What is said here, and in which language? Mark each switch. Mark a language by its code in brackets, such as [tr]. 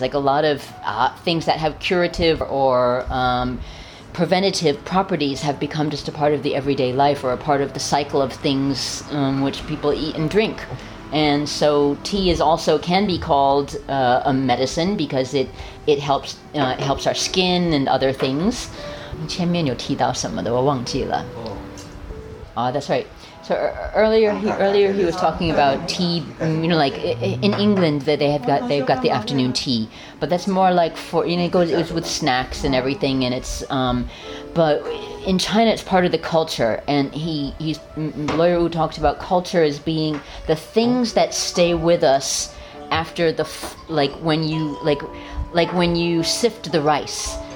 [en] Like a lot of things that have curative or preventative properties have become just a part of the everyday life, or a part of the cycle of things which people eat and drink. And so tea is also can be called a medicine because it helps helps our skin and other things. [zh] 前面有提到什么的，我忘记了。 [en] Oh, that's right. So earlier he was talking about tea, you know, like in England that they've got the afternoon tea, but that's more like for, you know, it goes with snacks and everything, and it's but in China it's part of the culture, and he's Lawyer Wu talked about culture as being the things that stay with us after the when you sift the rice.